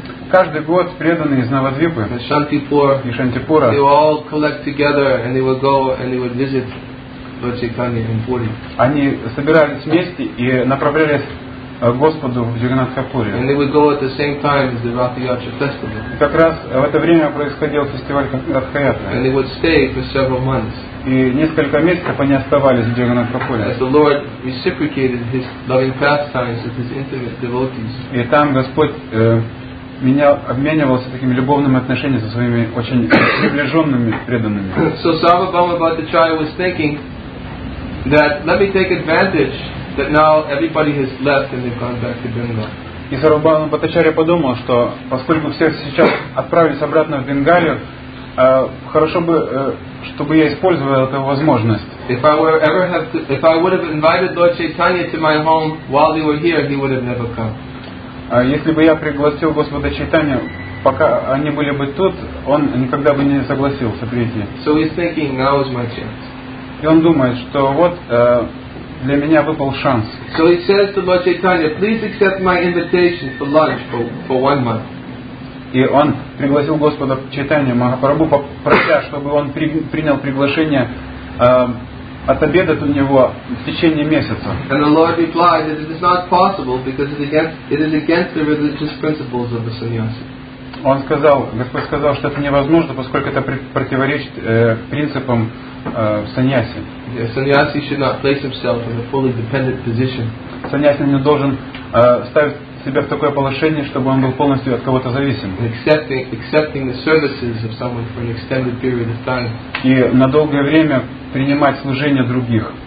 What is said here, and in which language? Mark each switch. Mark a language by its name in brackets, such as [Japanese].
[Russian] каждый год преданные из Навадвипы, Шантипур, и Шантипура, [English] they would all collect together and they would go and they would visit Lord Chaitanya in Puri. [Russian] Они собирались вместе и направлялись Господу в Джаганнатхапуре. [English] And they would go at the same time as the Ratha-Yatra festival. [Russian] Как раз в это время происходил фестиваль Ратха-Ятра. [English] And they would stay for several months. [Russian] И несколько месяцев они оставались в Джаганнатхапуре. [English] As the Lord reciprocated his loving pastimes with his intimate devotees. [Russian] И там Господь обменивался такими любовными отношениями со своими очень приближенными преданными. [English] So Sarvabhauma Bhattacharya was thinking that let me take advantage that now everybody has left and they've gone back to Bengal. [Russian] И Сарвабхаума Бхаттачарья подумал, что поскольку все сейчас отправились обратно в Бенгалию, хорошо бы, чтобы я использовал эту возможность. [English] If I would have invited Lord Chaitanya to my home while they were here, he would have never come. [Russian] Если бы я пригласил Господа Чайтанью, пока они были бы тут, он никогда бы не согласился прийти. [English] So he's thinking, now is my chance. [Russian] И он думает, что вот для меня выпал шанс. [English] So he says to Lord Chaitanya, please accept my invitation for lunch for one month. [Russian] И он пригласил Господа Чайтанью Махапрабху, прося, чтобы он принял приглашение от обеда у него в течение месяца. [English] And the Lord replied that it is not possible because it is against the religious principles of the sannyasi. [Russian] Он сказал, Господь сказал, что это невозможно, поскольку это противоречит принципам саньяси. [English] Саньяси should not place himself in a fully dependent position. [Russian] Саньяси не должен ставить себя в такое положение, чтобы он был полностью от кого-то зависим. [English] Accepting the services of someone for an extended period of time. [Russian] И на долгое время принимать служение других.